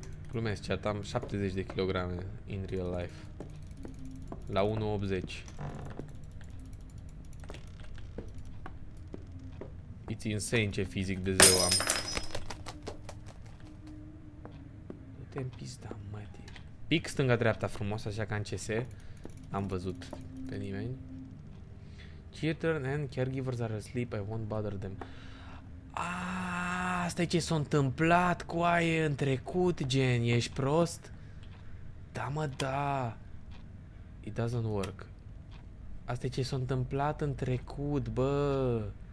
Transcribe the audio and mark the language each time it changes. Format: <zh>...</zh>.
<ro>Glumesc, chat, am 70 de kilograme</ro> <en>in real life.</en> <ro>La 1,80.</ro> <en>It's insane</en> <ro>ce fizic de zeu am. Du-te în pista. Pic stânga-dreapta frumos, așa ca în CS. N-am văzut pe nimeni.</ro> <en>Children and caregivers are asleep, I won't bother them.</en> <ro>Aaaa, asta e ce s-a întâmplat cu aia în trecut, gen, ești prost? Da, mă, da.</ro> <en>It doesn't work.</en> <ro>Asta e ce s-a întâmplat în trecut, bă.</ro>